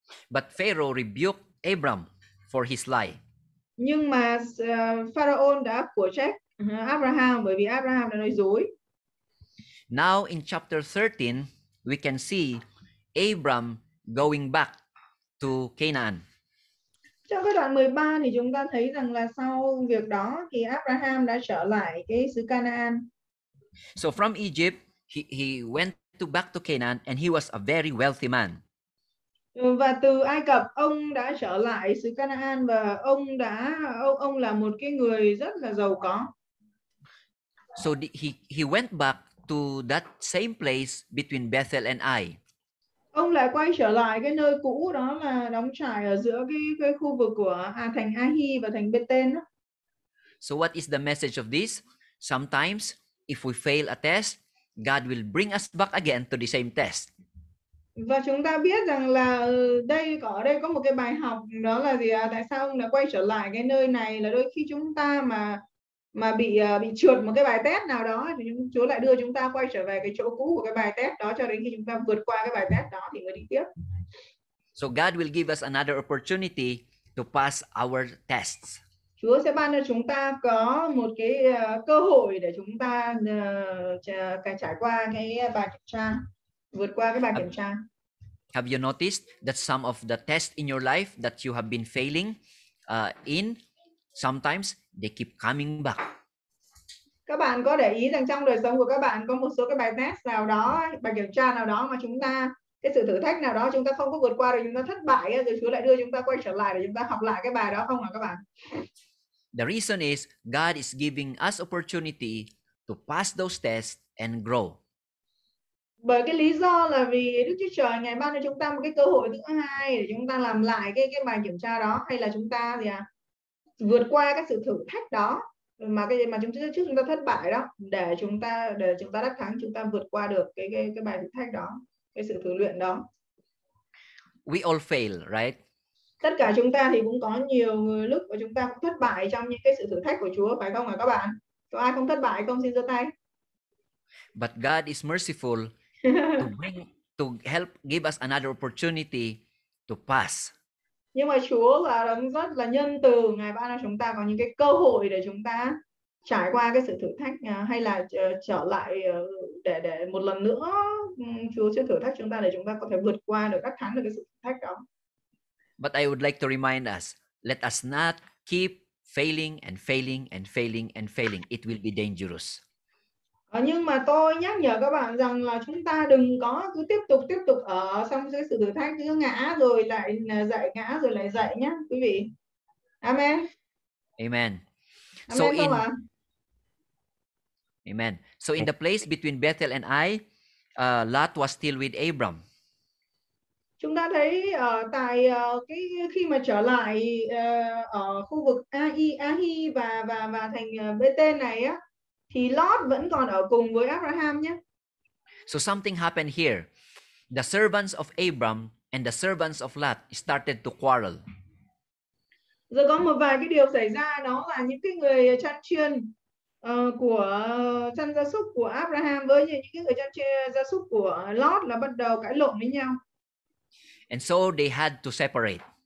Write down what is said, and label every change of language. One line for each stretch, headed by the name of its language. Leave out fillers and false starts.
English: But Pharaoh rebuked Abram for his lie.
Vietnamese: Nhưng mà Pharaoh đã của trách Abraham bởi vì Abraham đã nói dối.
English: Now in chapter 13 we can see Abram going back to Canaan.
Vietnamese: Trong cái đoạn 13 thì chúng ta thấy rằng là sau việc đó thì Abraham đã trở lại cái xứ Canaan.
English: So from Egypt he went to back to Canaan and he was a very wealthy man.
Vietnamese: Và từ Ai Cập ông đã trở lại xứ Canaan và ông là một cái người rất là giàu có.
English: So he went back to that same place between Bethel and Ai.
Vietnamese: Ông lại quay trở lại cái nơi cũ đó là đóng trại ở giữa cái khu vực của thành Ai và thành Bethel.
English: So what is the message of this? Sometimes if we fail a test, God will bring us back again to the same test.
Vietnamese: Và chúng ta biết rằng là ở đây có một cái bài học đó là gì ạ? Tại sao ông lại quay trở lại cái nơi này, là đôi khi chúng ta mà bị trượt một cái bài test nào đó thì Chúa lại đưa chúng ta quay trở về cái chỗ cũ của cái bài test đó cho đến khi chúng ta vượt qua cái bài test đó thì mới đi tiếp.
English: So God will give us another opportunity to pass our tests.
Vietnamese: Chúa sẽ ban cho chúng ta có một cái cơ hội để chúng ta trải qua cái bài kiểm tra. Vượt qua cái bài kiểm tra.
English: Have you noticed that some of the tests in your life that you have been failing in, sometimes they keep coming back?
Vietnamese: Các bạn có để ý rằng trong đời sống của các bạn có một số cái bài test nào đó, bài kiểm tra nào đó mà chúng ta, cái sự thử thách nào đó chúng ta không có vượt qua rồi chúng ta thất bại, rồi Chúa lại đưa chúng ta quay trở lại để chúng ta học lại cái bài đó không hả các bạn?
English: The reason is God is giving us opportunity to pass those tests and grow.
Vietnamese: Bởi cái lý do là vì Đức Chúa Trời ngày ban cho chúng ta một cái cơ hội thứ hai để chúng ta làm lại cái bài kiểm tra đó, hay là chúng ta gì à, vượt qua cái sự thử thách đó mà cái mà chúng trước chúng ta thất bại đó, để chúng ta đắc thắng, chúng ta vượt qua được cái bài thử thách đó, cái sự thử luyện đó.
English: We all fail, right?
Vietnamese: Tất cả chúng ta thì cũng có nhiều người lúc mà chúng ta cũng thất bại trong những cái sự thử thách của Chúa, phải không ạ các bạn? Có ai không thất bại không, xin giơ tay.
English: But God is merciful to help give us another opportunity to pass.
Vietnamese: Nhưng mà Chúa là rất là nhân từ, ngài ban cho chúng ta có những cái cơ hội để chúng ta trải qua cái sự thử thách hay là trở lại để một lần nữa Chúa sẽ thử thách chúng ta để chúng ta có thể vượt qua được, đắc thắng được cái sự thử thách đó.
English: But I would like to remind us, let us not keep failing and failing and failing and failing. It will be dangerous.
Vietnamese: Nhưng mà tôi nhắc nhở các bạn rằng là chúng ta đừng có cứ tiếp tục ở trong cái sự thử thách, cứ ngã rồi lại dậy nhé, quý vị.
English: Amen. Amen. Amen. So in the place between Bethel and Ai, Lot was still with Abram.
Vietnamese: Chúng ta thấy ở tại cái khi mà trở lại ở khu vực Ai và thành Bethel này á, thì Lot vẫn còn ở cùng với Abraham nhé.
English: So something happened here. The servants of Abram and the servants of Lot started to quarrel.
Vietnamese: Rồi có một vài cái điều xảy ra, đó là những cái người chăn chiên của chăn gia súc của Abraham với những cái người chăn chiên gia súc của Lot là bắt đầu cãi lộn với nhau.
English: And so they had to separate.